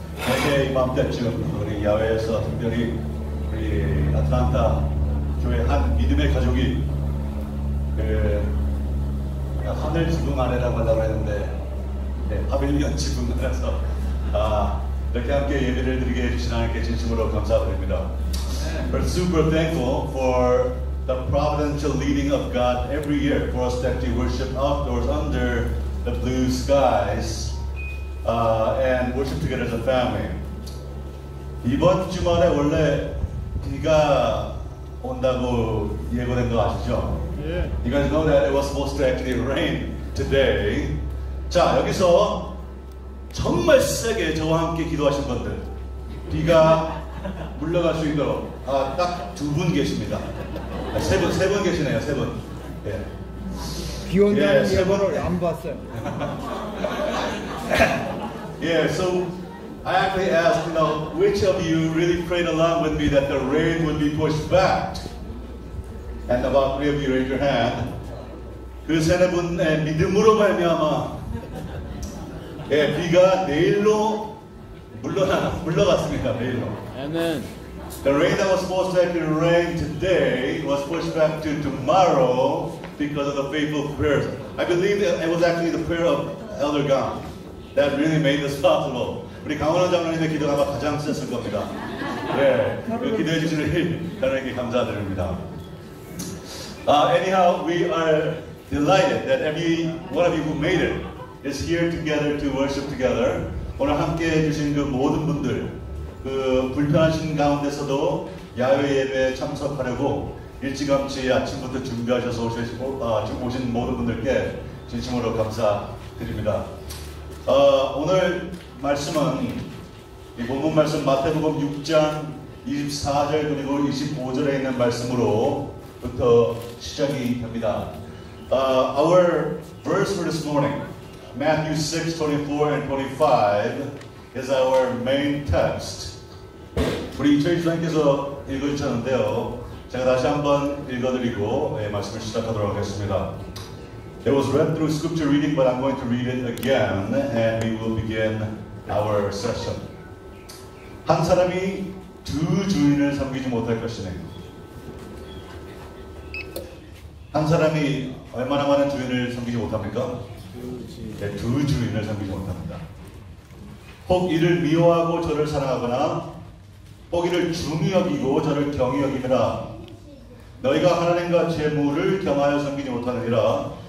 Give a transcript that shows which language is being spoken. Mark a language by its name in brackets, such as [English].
[Korean] 내게 이맘때쯤 우리 야외에서 특별히 우리 아틀란타 교회 한 믿음의 가족이 그 하늘 지붕 아래라고 하려고 했는데 네, 파빌리언 지붕 아래서 이렇게 함께 예배를 드리게 해주신 하나님께 진심으로 감사드립니다. [English] We're super thankful for the providential leading of God every year for us to actually worship outdoors under the blue skies and worship together as a family. [Korean] 이번 주말에 원래 비가 온다고 예고된 거 아시죠? [English] Yeah. You guys know that it was supposed to actually rain today. [Korean] 자, 여기서 정말 세게 저와 함께 기도하신 분들 비가 물러갈 수 있도록 딱 두 분 계십니다. 세 분 계시네요, 세 분. 예. 비 온다는 예보를 안 봤어요. [English] Yeah, so I actually asked, you know, which of you really prayed along with me that the rain would be pushed back? And about three of you raised your hand. [Korean] 그 세 분의 믿음으로 말미암아 예, 비가 내일로 물러갔습니다, 내일로. [English] Amen. The rain that was supposed to actually rain today was pushed back to tomorrow because of the faithful prayers. I believe it was actually the prayer of Elder Gang that really made this possible. [Korean] 우리 강원호 장로님의 기도가 아마 가장 셌을 겁니다. 네, 그 기도해 주시는 힘, 하나님께 감사드립니다. [English] Anyhow, we are delighted that every one of you who made it is here together to worship together. [Korean] 오늘 함께 해주신 그 모든 분들, 그 불편하신 가운데서도 야외 예배에 참석하려고 일찌감치 아침부터 준비하셔서 오신 모든 분들께 진심으로 감사드립니다. 오늘 말씀은 이 본문 말씀 마태복음 6장 24절 그리고 25절에 있는 말씀으로부터 시작이 됩니다. [English] Our verse for this morning, Matthew 6, 24 and 25 is our main text. [Korean] 우리 이철희 선생님께서 읽어주셨는데요. 제가 다시 한번 읽어드리고 네, 말씀을 시작하도록 하겠습니다. [English] It was read through scripture reading, but I'm going to read it again, and we will begin our session. [Korean] 한 사람이 두 주인을 섬기지 못할 것이네. 한 사람이 얼마나 많은 주인을 섬기지 못합니까? 네, 두 주인을 섬기지 못합니다. 혹 이를 미워하고 저를 사랑하거나 혹 이를 중히 여기고 저를 경히 여기느라 너희가 하나님과 재물을 경하여 섬기지 못하느니라.